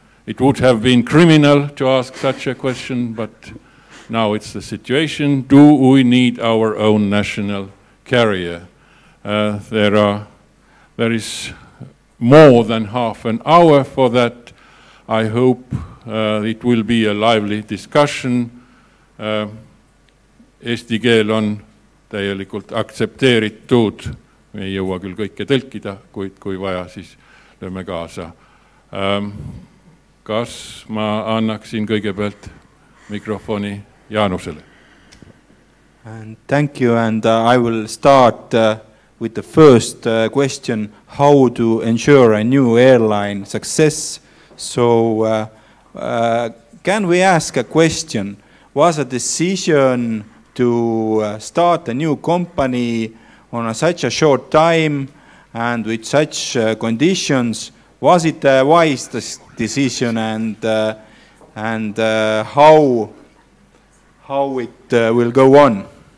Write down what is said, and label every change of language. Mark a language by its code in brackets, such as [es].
[en] It would have been criminal to ask such a question, but now it's the situation. Do we need our own national carrier? There is more than half an hour for that. I hope it will be a lively discussion. [et] Eesti keel on täielikult aksepteeritud. Me ei jõua küll kõike tõlkida, kuid kui vaja, siis lööme kaasa. Kas ma annaksin kõigepealt mikrofoni Jaanusele? [en] And thank you, and I will start with the first question, how to ensure a new airline success. So can we ask a question? Was a decision to start a new company on such a short time and with such conditions, was it a wise decision, and how it will go on?